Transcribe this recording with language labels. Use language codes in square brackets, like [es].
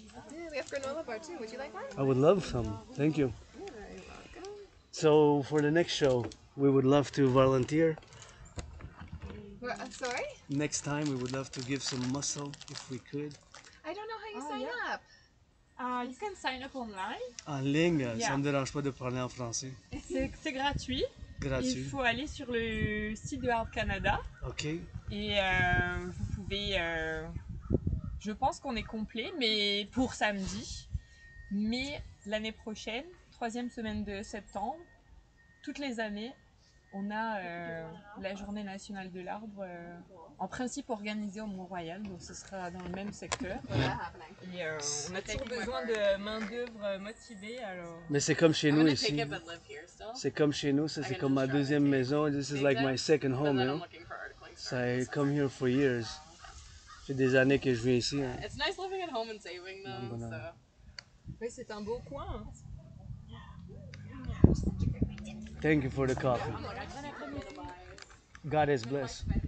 [en] Yeah, we have granola bar too. Would you like one? I would love some. Thank you. You're very welcome. So for the next show, we would love to volunteer. Sorry? Next time we would love to give some muscle if we could. I don't know how you sign up. You can sign up online. [fr] En ligne, yeah. Ça ne me dérange pas de parler en français. C'est gratuit. Gratuit. Il faut aller sur le site de Art Canada. Ok. Et vous pouvez. Je pense qu'on est complet, mais pour samedi. Mais l'année prochaine, troisième semaine de septembre, toutes les années. On a la journée nationale de l'arbre, en principe organisée au Mont-Royal, donc ce sera dans le même secteur. Voilà. Et, on a toujours besoin de main-d'œuvre motivée. Alors... Mais c'est comme chez nous ici. C'est comme chez nous, ça, c'est comme ma deuxième maison. [en] This is like my second home, you know. I come here for years. [fr] J'ai des années que je viens ici. [en] It's nice living at home and saving, though. [fr] Mais c'est un beau coin. [en] Thank you for the coffee. God is blessed.